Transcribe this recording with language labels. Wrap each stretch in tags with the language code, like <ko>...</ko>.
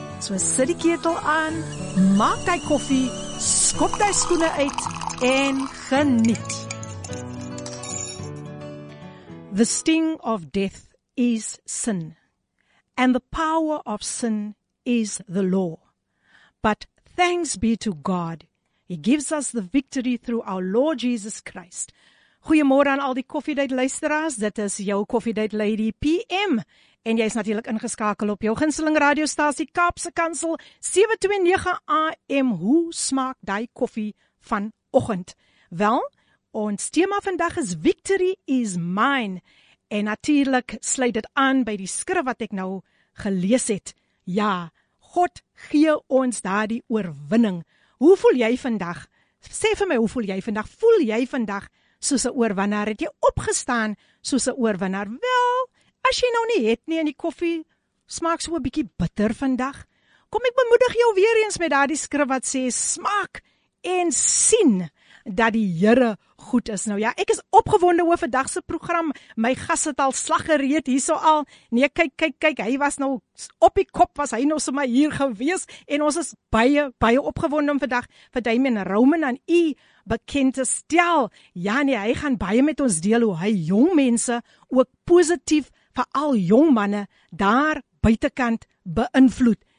<af>So sit die ketel aan, maak jy koffie, skop jy skoene uit en geniet.</af> <en>The sting of death is sin, and the power of sin is the law. But thanks be to God, He gives us the victory through our Lord Jesus Christ.</en> <af>Goeiemôre aan al die koffiedייט luisteraars, dit is jou koffiedייט lady PM. En jy is natuurlik ingeskakel op jou gunsteling radiostasie Kaapse Kansel 729 AM. Hoe smaak daai koffie vanoggend? Wel, ons tema vandag is</af> <en>Victory is Mine.</en> <af>En natuurlik sluit dit aan by die skrif wat ek nou gelees het. Ja, God gee ons daardie oorwinning. Hoe voel jy vandag? Sê vir my, hoe voel jy vandag? Voel jy vandag soos 'n oorwinnaar? Het jy opgestaan soos 'n oorwinnaar? Wel, as jy nou nie het nie en die koffie smaak so 'n bietjie bitter vandag, kom ek bemoedig jou weer eens met daardie skrif wat sê smaak en sien dat die Here goed is. Nou ja, ek is opgewonde oor vandag se program. My gas het al slag gereed hierso al. Nee, kyk, hy was nou op die kop, was hy nou sommer hier gewees en ons is baie opgewonde om vandag vir Damien Roman aan u bekend te stel. Ja nee, hy gaan baie met ons deel hoe hy jong mense ook positief, vir al jong manne daar buitekant beïnvloed.</af>